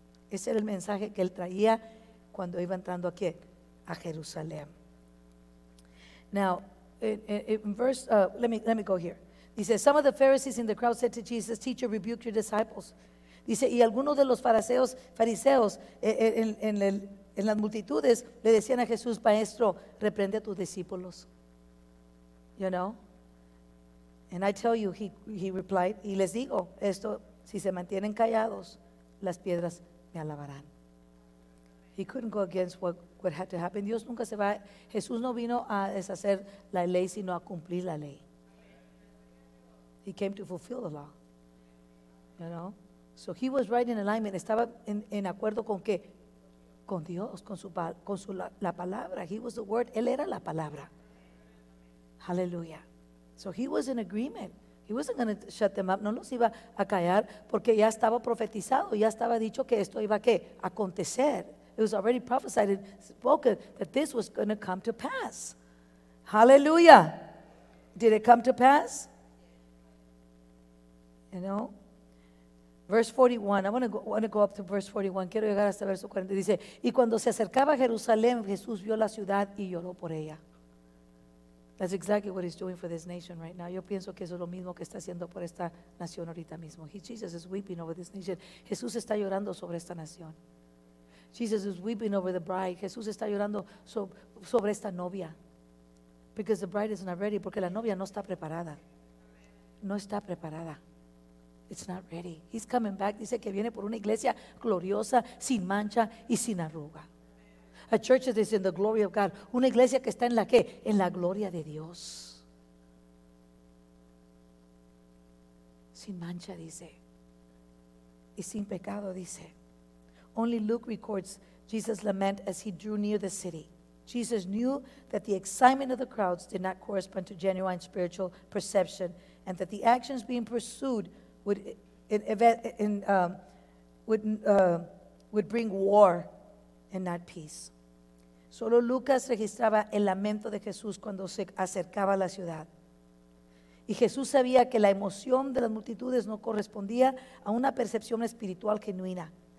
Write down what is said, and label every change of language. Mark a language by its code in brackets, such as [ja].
[es] Ese era el mensaje que él traía cuando iba entrando aquí a Jerusalén. [en] Now, let me go here. He says, some of the Pharisees in the crowd said to Jesus, teacher, rebuke your disciples. [es] Dice, y algunos de los fariseos en las multitudes le decían a Jesús, maestro, reprende a tus discípulos. [en] You know? And I tell you, he replied, [es] y les digo esto, si se mantienen callados, las piedras me alabarán. [en] He couldn't go against what had to happen. [es] Dios nunca se va. Jesús no vino a deshacer la ley, sino a cumplir la ley. [en] He came to fulfill the law. You know? So he was right in alignment. [es] Estaba en acuerdo con qué? Con Dios, con la palabra. [en] He was the word. [es] Él era la palabra. Hallelujah. [en] So he was in agreement. He wasn't going to shut them up. [es] No los iba a callar porque ya estaba profetizado. Ya estaba dicho que esto iba a qué? Acontecer. [en] It was already prophesied and spoken that this was going to come to pass. Hallelujah. Did it come to pass? You know? Verse 41. I want to go up to verse 41. [es] Quiero llegar hasta verso 40. Dice, y cuando se acercaba a Jerusalén, Jesús vio la ciudad y lloró por ella. [en] That's exactly what he's doing for this nation right now. [es] Yo pienso que eso es lo mismo que está haciendo por esta nación ahorita mismo. [en] Jesus is weeping over this nation. [es] Jesús está llorando sobre esta nación. [en] Jesus is weeping over the bride. [es] Jesús está llorando sobre esta novia. [en] Because the bride is not ready. [es] Porque la novia no está preparada. [en] No está preparada. It's not ready. He's coming back. [es] Dice que viene por una iglesia gloriosa, sin mancha y sin arruga. [en] A church that is in the glory of God. [es] Una iglesia que está en la qué? En la gloria de Dios. Sin mancha, dice. Y sin pecado, dice. [en] Only Luke records Jesus' lament as he drew near the city. Jesus knew that the excitement of the crowds did not correspond to genuine spiritual perception, and that the actions being pursued would bring war and not peace. [es] Solo Lucas registraba el lamento de Jesús cuando se acercaba a la ciudad. Y Jesús sabía que la emoción de las multitudes no correspondía a una percepción espiritual genuina.